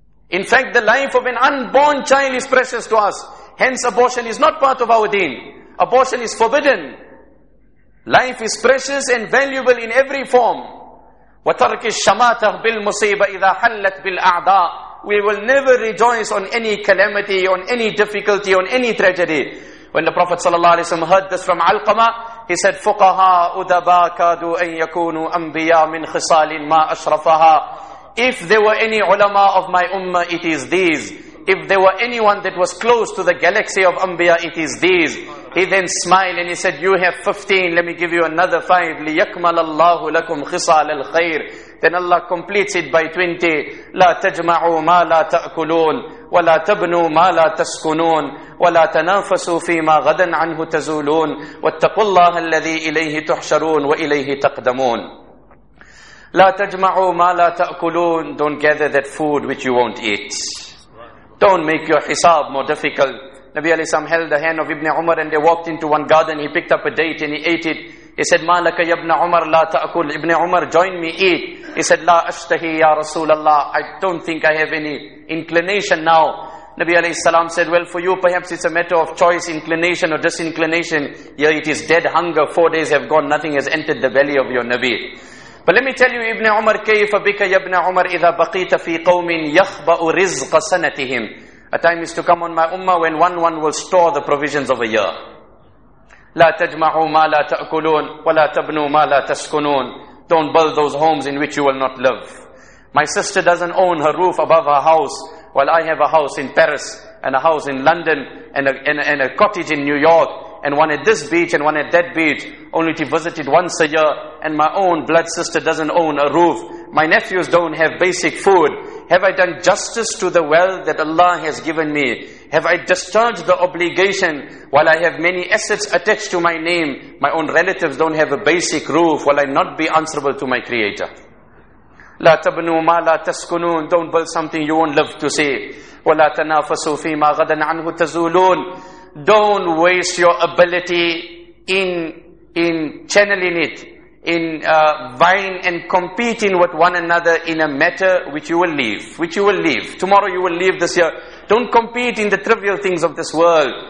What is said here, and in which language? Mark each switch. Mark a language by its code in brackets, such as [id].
[en] In fact, the life of an unborn child is precious to us. Hence, abortion is not part of our deen. Abortion is forbidden. Life is precious and valuable in every form. [ar] وَتَرْكِ الشَّمَاتَهُ بِالْمُصِيبَةِ إِذَا حَلَّتْ بِالْأَعْدَىٰ. [en] We will never rejoice on any calamity, on any difficulty, on any tragedy. When the Prophet ﷺ heard this from Alqama, he said, [ar] فُقَهَا أُدَبَا كَادُوا أَن يَكُونُوا أَنْبِيَا مِنْ خِصَالٍ مَا أَشْرَفَهَا. [en] If there were any ulama of my ummah, it is these. If there were anyone that was close to the galaxy of anbiya, it is these. He then smiled and he said, you have 15, let me give you another 5. [ar] لِيَكْمَلَ اللَّهُ لَكُمْ خِصَالَ الْخَيْرِ. [en] Then Allah completes it by 20. [ar] لَا تَجْمَعُوا مَا لَا تَأْكُلُونَ وَلَا تَبْنُوا مَا لَا تَسْكُنُونَ وَلَا تَنَافَسُوا فِي مَا غَدًا عَنْهُ تَزُولُونَ وَاتَّقُوا اللَّهَ الَّذِي إِلَيْهِ تُحْشَرُونَ وَإِلَيْهِ تَقْدَمُونَ. لَا تَجْمَعُوا مَا لَا تَأْكُلُونَ. [en] Don't gather that food which you won't eat. Don't make your hisab more difficult. Nabi alayhi salam held the hand of Ibn Umar and they walked into one garden. He picked up a date and he ate it. He said, [ar] مَا لَكَ يَبْنَ عُمَرْ لَا تَأْكُلْ. [en] Ibn Umar, join me, eat. He said, [ar] لَا أَشْتَهِي يَا رَسُولَ اللَّهِ. [en] I don't think I have any inclination now. Nabi alayhi salam said, well, for you perhaps it's a matter of choice, inclination or disinclination. Here it is dead hunger. 4 days have gone. Nothing has entered the belly of your Nabi. But let me tell you, Ibn Umar, [ar] كَيْفَ بِكَ يَبْنَ عُمَرْ إِذَا بَقِيتَ فِي قَوْمٍ يَخْبَأُ رِزْقَ سَنَتِهِمْ. [en] A time is to come on my ummah when one will store the provisions of a year. [ar] لَا تَجْمَعُوا مَا لَا تَأْكُلُونَ وَلَا تَبْنُوا مَا لَا تَسْكُنُونَ. [en] Don't build those homes in which you will not live. My sister doesn't own her roof above her house, while I have a house in Paris, and a house in London, and a cottage in New York, and one at this beach and one at that beach, only to visit it once a year, and my own blood sister doesn't own a roof. My nephews don't have basic food. Have I done justice to the wealth that Allah has given me? Have I discharged the obligation while I have many assets attached to my name? My own relatives don't have a basic roof. Will I not be answerable to my Creator? [ar] لا تبنوا ما لا تسكنون. [en] Don't build something you won't live to see. [ar] ولا تنافسوا فيما غدا عنه تزولون. [en] Don't waste your ability in channeling it, in vying and competing with one another in a matter which you will leave, which you will leave. Tomorrow you will leave this year. Don't compete in the trivial things of this world.